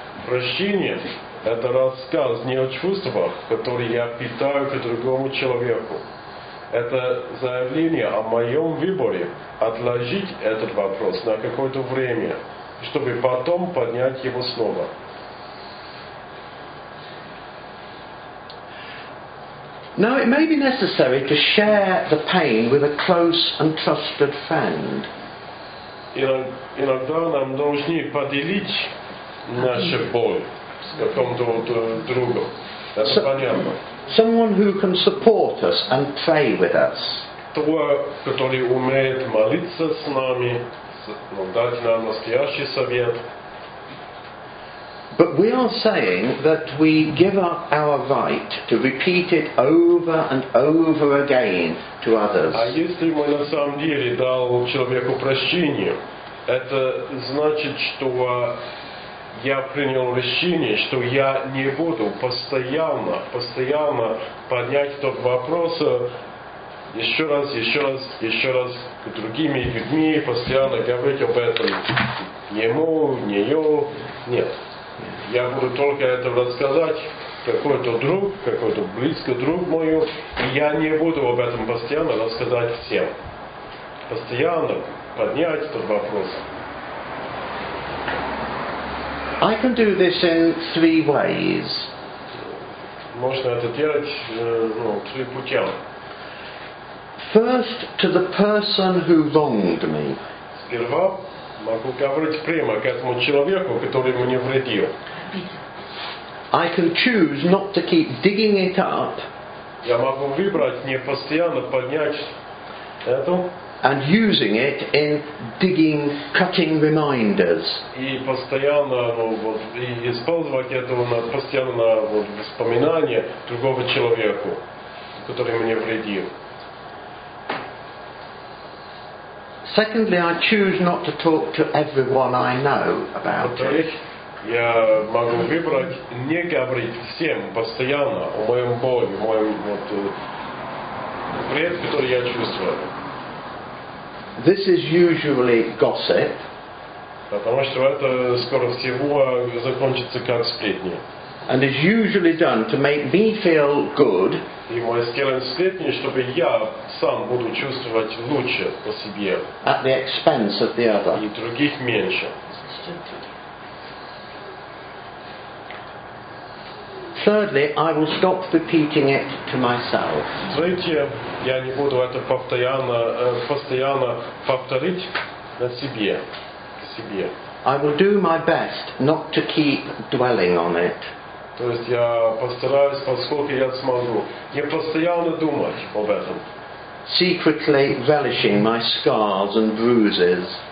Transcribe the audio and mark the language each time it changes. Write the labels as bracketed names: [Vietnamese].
[Russian] Прощение – это рассказ не о чувствах, которые я питаю к другому человеку. Это заявление о моем выборе отложить этот вопрос на какое-то время, чтобы потом поднять его снова. [English] Now it may be necessary to share the pain with a close and trusted friend. [Russian] Иногда нам должны поделить нашу боль с каким-то другом. Это понятно. [English] Someone who can support us and pray with us. [Russian] Того, который умеет молиться с нами, дать нам настоящий совет. [English] But we are saying that we give up our right to repeat it over and over again to others. [Russian] А если мы на самом деле дал человеку прощение, это значит, что я принял решение, что я не буду постоянно поднять этот вопрос еще раз к другим людьми, постоянно говорить об этом ему, нее, нет. Я буду только это рассказать какой-то близкий друг мой, и я не буду об этом постоянно рассказать всем. Постоянно поднять этот вопрос. [English] I can do this in three ways. [Russian] Можно это делать, три путя. [English] First, to the person who wronged me. [Russian] Сперва могу говорить прямо к этому человеку, который мне вредил. [English] I can choose not to keep digging it up. [Russian] Я могу выбрать не постоянно поднять это. [English] And using it in digging, cutting reminders. [Russian] И постоянно, и использовать это на постоянно воспоминание другого человека, который мне вредил. [English] Secondly, I choose not to talk to everyone I know about it. [Russian] Во-вторых, я могу выбрать не говорить всем постоянно о моем боли, о моем вред, который я чувствую. [English] This is usually gossip. [Russian] Потому что это скоро всего закончится как сплетни. [English] And is usually done to make me feel good. [Russian] И мы сделаем сплетни, чтобы я сам буду чувствовать лучше по себе. [English] At the expense of the other. [Russian] И других меньше. [English] Thirdly, I will stop repeating it to myself. [Russian] Третье, я не буду это постоянно повторить на себе. [English] I will do my best not to keep dwelling on it. [Russian] То есть я постараюсь, поскольку я смогу, не постоянно думать об этом. [English] Secretly relishing my scars and bruises.